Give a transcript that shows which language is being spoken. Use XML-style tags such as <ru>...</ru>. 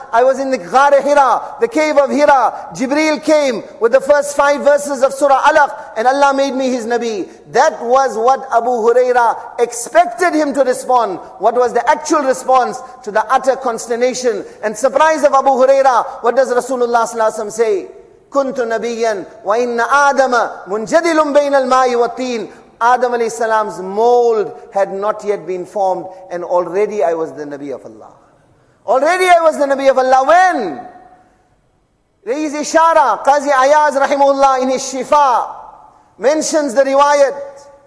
<en>I was in the Ghare Hira, the cave of Hira. Jibreel came with the first 5 verses of Surah Alaq and Allah made me His Nabi. That was what Abu Huraira expected him to respond. What was the actual response to the utter consternation and surprise of Abu Huraira? What does Rasulullah sallallahu alaihi wasallam say?</en> <ar>كنت نبيا وإن آدم منجدل بين الماء والطين.</ar> <en>Adam alayhi salam's mold had not yet been formed, and already I was the Nabi of Allah. Already I was the Nabi of Allah. When? There is ishara. Qazi Ayaz rahimahullah in his Shifa mentions the riwayat.</en>